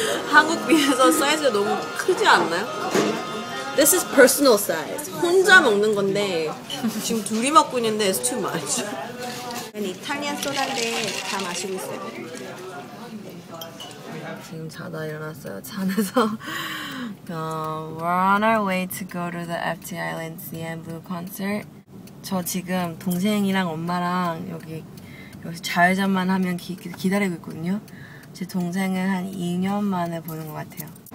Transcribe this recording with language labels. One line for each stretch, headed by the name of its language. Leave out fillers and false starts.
Korean: 한국 비해서 사이즈가 너무 크지 않나요?
English: This is personal size.
Korean: 혼자 먹는 건데 지금 둘이 먹고 있는데
English: it's too much.
Korean: 이탈리안 소다인데 다 마시고 있어요. 지금 자다 일어났어요. 잠에서.
English: we're on our way to go to the FT Island CNBLUE concert.
Korean: 저 지금 동생이랑 엄마랑 여기 자유전만 하면 기다리고 있거든요. 제 동생은 한 2년 만에 보는 것 같아요.